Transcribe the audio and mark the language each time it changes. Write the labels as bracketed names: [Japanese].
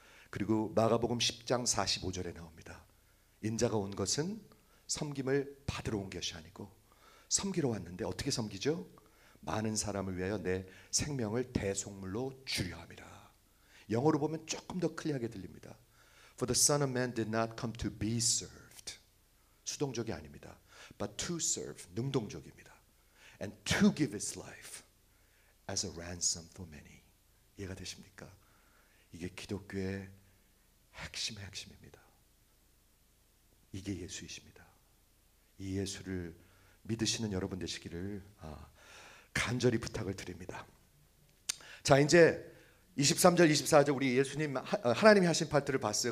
[Korean] 그리고 마가복음 10장 45절에 나옵니다. 인자가 온 것은 섬김을 받으러 온 것이 아니고 섬기러 왔는데 어떻게 섬기죠? 많은 사람을 위하여 내 생명을 대속물로 주려 함이라. 영어로 보면 조금 더 클리어하게 들립니다. [English] For the Son of Man did not come to be served. [Korean] 수동적이 아닙니다. [English] But to serve, [Korean] 능동적입니다. [English] And to give his life as a ransom for many. [Korean] 이해가 되십니까? 이게 기독교의 핵심의 핵심입니다. 이게 예수이십니다. 이 예수를 믿으시는 여러분 되시기를 간절히 부탁을 드립니다. 자, 이제 23절, 24절 우리 예수님 하나님이 하신 파트를 봤어요.